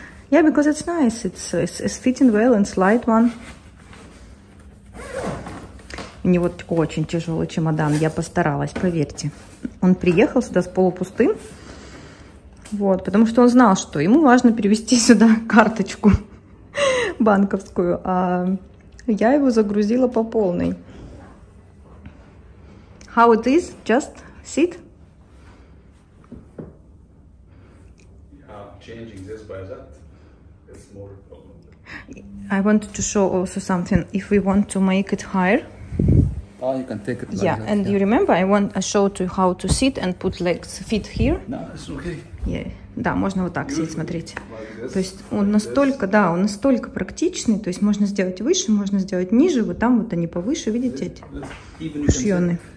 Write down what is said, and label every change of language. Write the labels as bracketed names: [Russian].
[English] Yeah, because it's nice, it's fitting well and slight one. [Russian] У него очень тяжелый чемодан, я постаралась, поверьте. Он приехал сюда с полупустым, вот, потому что он знал, что ему важно перевести сюда карточку банковскую, а я его загрузила по полной. [English] How it is? Just sit? Changing this by that, it's more problem. I wanted to show also something, if we want to make it higher. Oh, you can take it like yeah, that. And yeah. You remember, I showed you how to sit and put legs, feet here. No, it's okay. Yeah. [Russian] Да, можно вот так сидеть, смотрите. Like то есть он like настолько, [English] this. [Russian] Да, он настолько практичный, то есть можно сделать выше, можно сделать ниже, вот там вот они повыше, видите эти кушьоны.